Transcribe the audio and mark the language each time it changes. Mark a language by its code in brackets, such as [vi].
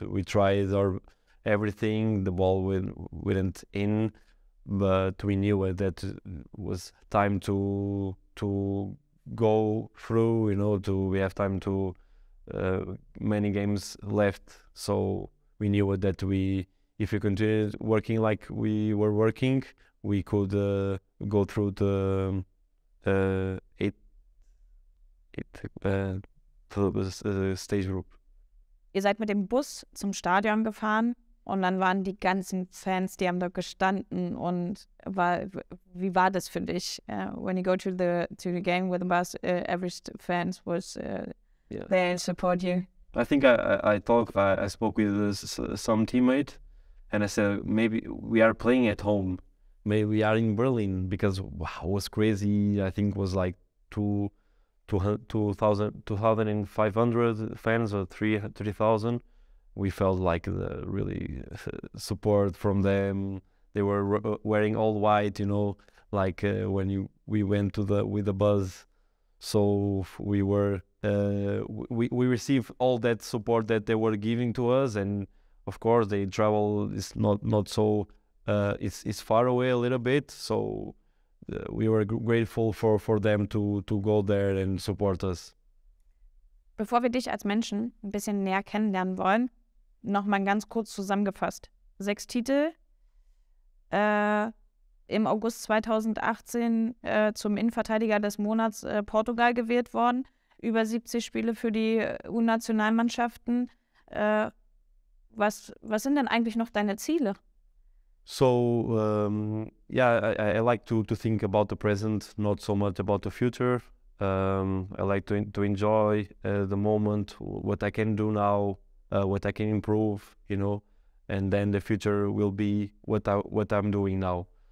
[en] We tried our everything, the ball went in, but we knew that was time to go through, you know, to we have time to many games left, so we knew that we if we continued working like we were working, we could go through the stage group. [de] Ihr seid mit dem Bus zum Stadion gefahren. Und dann waren die ganzen Fans, die haben da gestanden. Und wie war das für dich? [en] When you go to the game with the bus, every fans was there and support you. I think I spoke with some teammate, and I said maybe we are playing at home, maybe we are in Berlin, because wow, it was crazy. I think it was like 2,500 fans or 3,000. We felt like the really support from them. They were wearing all white, you know, like when we went with the bus. So we were we received all that support that they were giving to us, and of course the travel is not so it's far away a little bit, so we were grateful for them to go there and support us. [de] Bevor wir dich als Menschen ein bisschen näher kennenlernen wollen, noch mal ganz kurz zusammengefasst. 6 Titel im August 2018 zum Innenverteidiger des Monats Portugal gewählt worden, über 70 Spiele für die U-Nationalmannschaften. Was sind denn eigentlich noch deine Ziele? [en] So, I like to think about the present, not so much about the future. I like to enjoy the moment, what I can do now, what I can improve, you know, and then the future will be what I'm doing now.